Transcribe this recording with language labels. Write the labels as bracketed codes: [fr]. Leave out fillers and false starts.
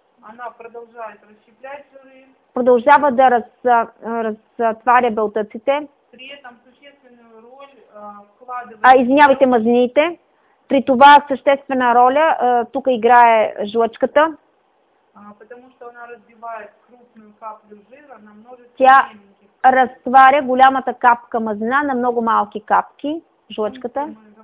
[ru] Она продолжает расщеплять жиры. [bg] Продължава да разтваря белтъците. [ru] При этом [bg] съществена роля извинявайте, мазнините. При това съществена роля тук играе жлъчката. [ru] Потому что она разбивает крупную каплю жира на множество. [bg] Тя разтваря голямата капка мазнина на много малки капки, жлъчката.